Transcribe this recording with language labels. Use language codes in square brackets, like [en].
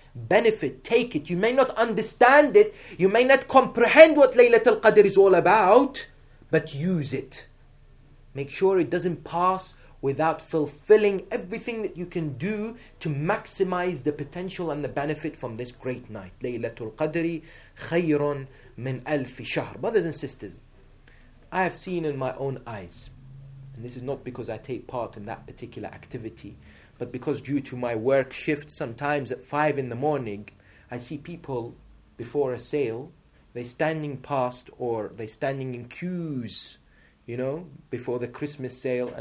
[en] Benefit, take it. You may not understand it. You may not comprehend what Laylatul Qadr is all about. But use it. Make sure it doesn't pass without fulfilling everything that you can do to maximize the potential and the benefit from this great night. [ar] Laylatul Qadri خَيْرٌ مِنْ أَلْفِ شَهْرٍ. [en] Brothers and sisters, I have seen in my own eyes, and this is not because I take part in that particular activity, but because due to my work shift, sometimes at 5 in the morning, I see people before a sale, they're standing past, or they're standing in queues, you know, before the Christmas sale.